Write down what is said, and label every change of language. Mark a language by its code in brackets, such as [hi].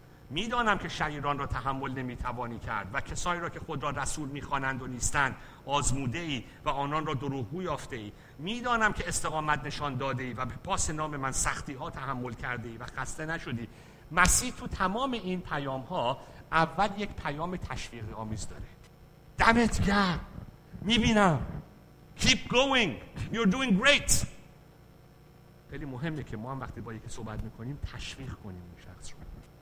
[fa] میدانم که شریران را تحمل نمیتوانی کرد و کسایی را که خود را رسول میخوانند و نیستند آزموده ای و آنان را دروغگو یافته ای. میدانم که استقامت نشان داده ای و به پاس نام من سختی ها تحمل کرده ای و خسته نشدی. مسیح تو تمام این پیام ها اول یک پیام تشویقی آمیز داره. دمت گرم، میبینم، [en] keep going, you're doing great. [fa] خیلی مهمه که ما هم وقتی با یکی صحبت میکنیم تشویق کنیم اون شخص رو.